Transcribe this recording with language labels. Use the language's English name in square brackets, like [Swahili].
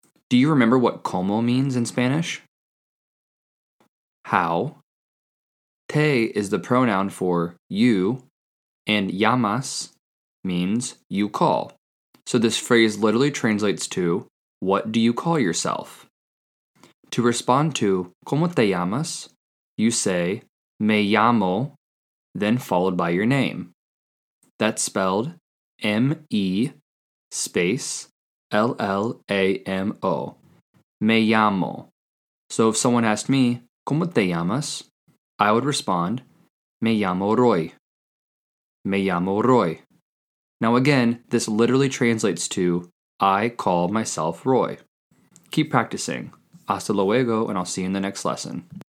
[English] Do you remember what cómo means in Spanish? How? Te is the pronoun for you, and llamas means you call. So this phrase literally translates to What do you call yourself? To respond to [Spanish] ¿Cómo te llamas? [English] You say [Spanish] Me llamo, [English] then followed by your name. That's spelled M-E space L-L-A-M-O. [Spanish] Me llamo. [English] So if someone asked me [Spanish] ¿Cómo te llamas? [English] I would respond [Spanish] Me llamo Roy. Me llamo Roy. [English] Now again, this literally translates to I call myself Roy. Keep practicing. [Spanish] Hasta luego, [English] and I'll see you in the next lesson.